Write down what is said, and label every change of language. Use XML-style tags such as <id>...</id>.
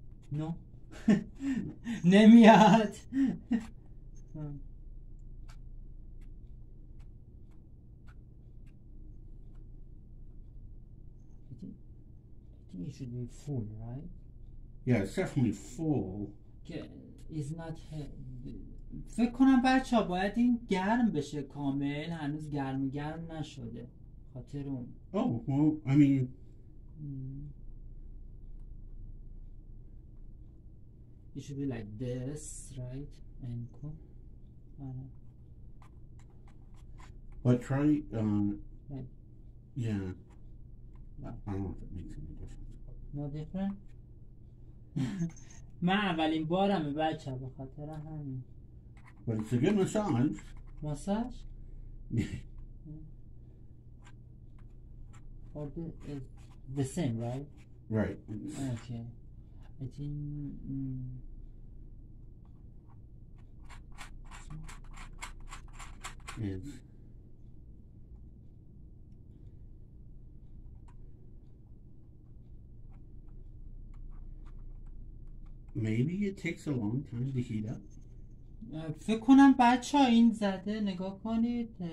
<fa>No. نمیاد.</fa> <en>I think it should be full, right? Yeah, it's definitely full. Okay, it's not</en> <fa>فکر کنم بچا باید این گرم بشه کامل هنوز گرم گرم نشده خاطر اون.</fa> <en>Oh, well, I mean It should be like this, right? And cool. But try, right. Yeah. No. I don't know if it makes any difference. No different?</en> <fa>من اولین بارم بچه به خاطر همین.</fa> <en>But it's a good massage. Massage? Yeah. Or the same, right? Right. Okay. I think... Is maybe it takes a long time to heat up.</en> <fa>فکر کنم بچه ها این زده نگاه کنید.</fa>